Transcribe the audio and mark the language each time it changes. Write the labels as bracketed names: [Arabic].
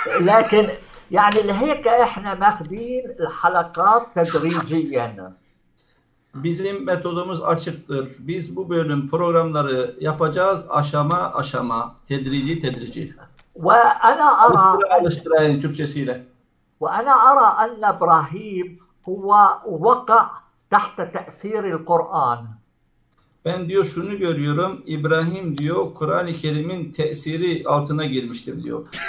[Arabic] لكن يعني لهيك احنا ماخذين الحلقات تدريجيا. [Turkish] Bizim metodumuz açıktır. Biz bu bölüm programları yapacağız aşama aşama, tedrici tedrici. [Arabic] وأنا أرى أن [Turkish] Alıştıra alıştıra yani Türkçesiyle. [Arabic] وأنا أرى أن إبراهيم هو وقع تحت تأثير القرآن. [Turkish] Ben diyor şunu görüyorum. İbrahim diyor Kur'an-ı Kerim'in tesiri altına girmiştir diyor.